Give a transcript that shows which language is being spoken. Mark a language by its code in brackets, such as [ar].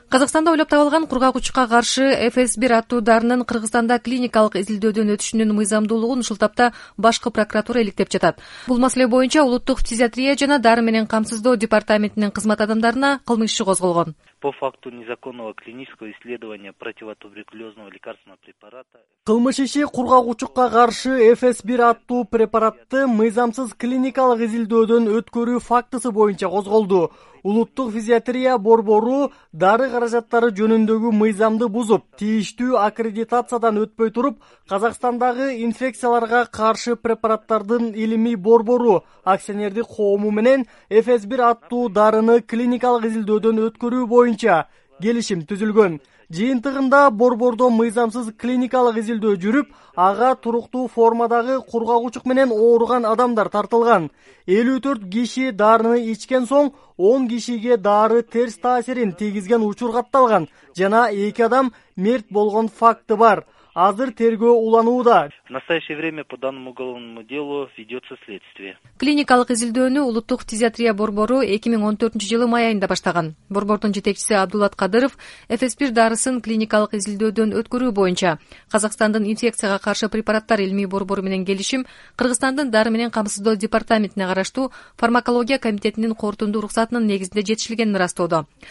[ky] Казакстанда ойлоп табылган кургак учукка каршы FS1 аттуу дарынын Кыргызстанда клиникалык изилдөөдөн өтүшүнүн мыйзамдуулугун ушул тапта башкы прокуратура иликтеп жатат. Бул маселе боюнча улуттук фтизиатрия жана дары менен камсыздоо департаментинин кызмат адамдарына кылмыш иши козголгон. [ru] По факту незаконного клинического исследования противотуберкулезного лекарственного препарата. [ky] Кылмыш иши кургак учукка каршы FS1 аттуу препаратты мыйзамсыз клиникалык изилдөөдөн өткөрүү фактысы боюнча козголду. Улуттук физиатрия борбору дары каражаттары жөнүндөгү мыйзамды бузуп, тийиштүү аккредитациядан өтпөй туруп, Казакстандагы инфекцияларга каршы препараттардын илимий борбору акционердик коому менен FS1 аттуу дарыны клиникалык изилдөөдөн өткөрүү боюнча келишим түзүлгөн. Жыйынтыгында борбордо мыйзамсыз клиникалык изилдөө жүрүп, ага туруктуу формадагы кургак учук менен ооруган адамдар тартылган. 54 киши дарыны ичкен соң 10 кишиге дары терс таасирин тийгизген учур катталган жана 2 адам мерт болгон факты бар. Азыр тергөө уланууда. [ru] В настоящее время по данному уголовному делу ведется следствие. [ky] Клиникалык изилдөөнү улуттук фтизиатрия борбору 2014 жылы май айында баштаган. Борбордун жетекчиси Абдулат Кадыров FS1 дарысын клиникалык изилдөөдөн өткөрүү боюнча Казакстандын инфекцияга каршы препараттар илмий борбору менен келишим Кыргызстандын дары менен камсыздоо департаментине караштуу фармакология комитетинин корутундуу уруксатынын негизинде жетишилгенин ырастоодо.